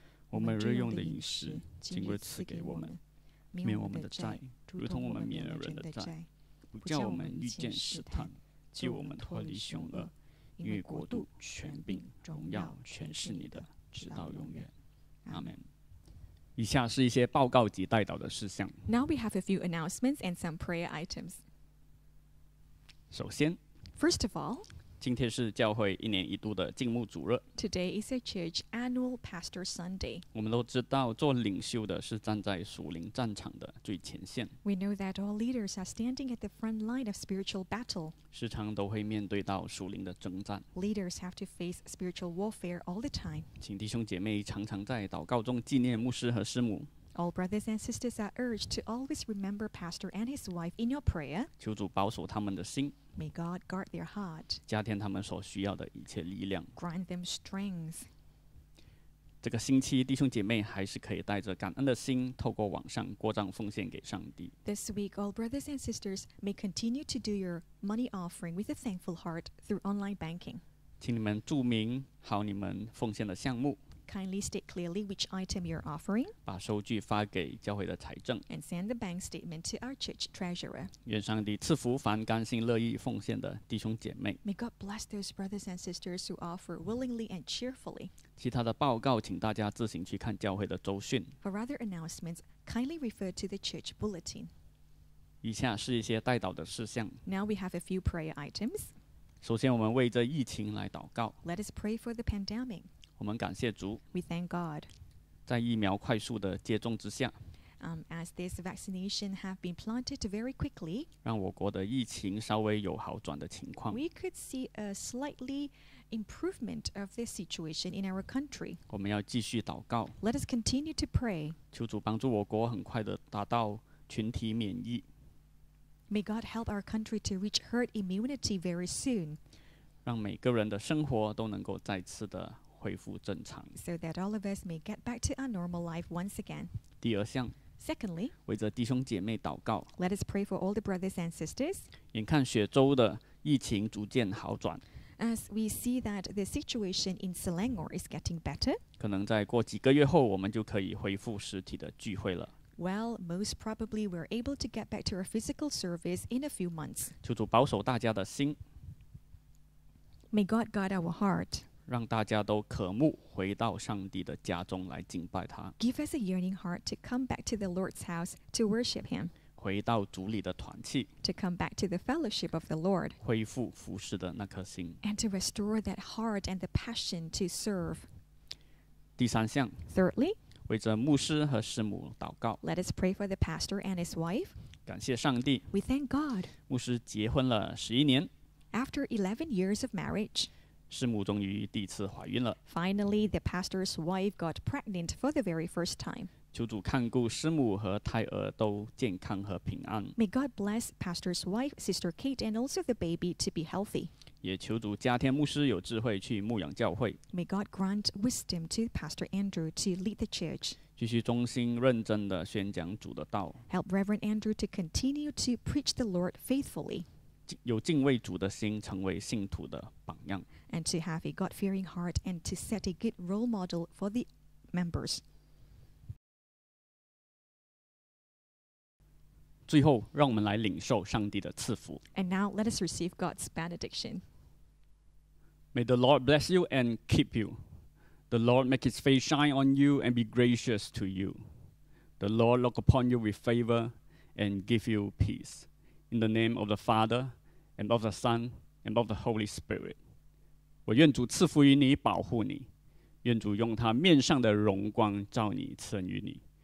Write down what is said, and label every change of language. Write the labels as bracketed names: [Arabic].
[Chinese] 我们日用的饮食，今日赐给我们，免我们的债，如同我们免了人的债，不叫我们遇见试探，救我们脱离凶恶，因为国度、权柄、荣耀，全是你的，直到永远。阿们。以下是一些报告及代祷的事项。 [English] Now we have a few announcements and some prayer items. [Chinese] 首先 [English] ，First of all， [Chinese] 今天是教会一年一度的敬牧主日。 [English] Today is a church annual Pastor Sunday. [Chinese] 我们都知道，做领袖的是站在属灵战场的最前线。 [English] We know that all leaders are standing at the front line of spiritual battle. [Chinese] 时常都会面对到属灵的征战。 [English] Leaders have to face spiritual warfare all the time. [Chinese] 请弟兄姐妹常常在祷告中纪念牧师和师母。 [English] All brothers and sisters are urged to always remember Pastor and his wife in your prayer. [Chinese] 求主保守他们的心。 [English] May God guard their heart. [Chinese] 加添他们所需要的一切力量。 [English] Grant them strength. [Chinese] 这个星期弟兄姐妹还是可以带着感恩的心透过网上过账奉献给上帝。 [English] This week, all brothers and sisters may continue to do your money offering with a thankful heart through online banking. [Chinese] 请你们注明好你们奉献的项目。 [English] Kindly state clearly which item you're offering. [Chinese] 把收据发给教会的财政。 [English] And send the bank statement to our church treasurer. [Chinese] 愿上帝赐福凡甘心乐意奉献的弟兄姐妹。 [English] May God bless those brothers and sisters who offer willingly and cheerfully. [Chinese] 其他的报告请大家自行去看教会的周讯。 [English] For other announcements, kindly refer to the church bulletin. [Chinese] 以下是一些代祷的事项。 [English] Now we have a few prayer items. [Chinese] 首先我们为这疫情来祷告。 [English] Let us pray for the pandemic. [Chinese] 我们感谢主。 [English] We thank God. [Chinese] 在疫苗快速的接种之下， [English] As this vaccination have been planted very quickly, [Chinese] 让我国的疫情稍微有好转的情况。 [English] We could see a slightly improvement of this situation in our country. [Chinese] 我们要继续祷告。 [English] Let us continue to pray. [Chinese] 求主帮助我国很快的达到群体免疫。 [English] May God help our country to reach herd immunity very soon. [Chinese] 让每个人的生活都能够再次的恢复正常。 [English] So that all of us may get back to our normal life once again. [Chinese] 第二项。 [English] Secondly, [Chinese] 为着弟兄姐妹祷告。 [English] Let us pray for all the brothers and sisters. [Chinese] 眼看雪州的疫情逐渐好转。 [English] As we see that the situation in Selangor is getting better. [Chinese] 可能在过几个月后，我们就可以恢复实体的聚会了。 [English] Well, most probably we're able to get back to our physical service in a few months. [Chinese] 求主保守大家的心。 [English] May God guard our heart. [Chinese] 让大家都渴慕回到上帝的家中来敬拜他。 [English] Give us a yearning heart to come back to the Lord's house to worship Him. [Chinese] 回到主里的团契。 [English] To come back to the fellowship of the Lord. [Chinese] 恢复服事的那颗心。 [English] And to restore that heart and the passion to serve. [Chinese] 第三项。 [English] Thirdly. [Chinese] 为着牧师和师母祷告。 [English] Let us pray for the pastor and his wife. [Chinese] 感谢上帝。 [English] We thank God. [Chinese] 牧师结婚了十一年。 [English] After 11 years of marriage. [Chinese] 师母终于第一次怀孕了。 [English] Finally, the pastor's wife got pregnant for the very first time. [Chinese] 求主看顾师母和胎儿都健康和平安。 [English] May God bless pastor's wife, Sister Kate, and also the baby to be healthy. [Chinese] 也求主加添牧师有智慧去牧养教会。 [English] May God grant wisdom to Pastor Andrew to lead the church. [Chinese] 继续忠心认真地宣讲主的道。 [English] Help Reverend Andrew to continue to preach the Lord faithfully. [Chinese] 有敬畏主的心成为信徒的榜样。 [English] And to have a God-fearing heart and to set a good role model for the members. [Chinese] 最后，让我们来领受上帝的赐福。 [English] And now let us receive God's benediction. May the Lord bless you and keep you. The Lord make his face shine on you and be gracious to you. The Lord look upon you with favor and give you peace. In the name of the Father, and of the Son, and of the Holy Spirit. [Chinese] 我愿主赐福于你，保护你。愿主用他面上的荣光照你，赐恩于你。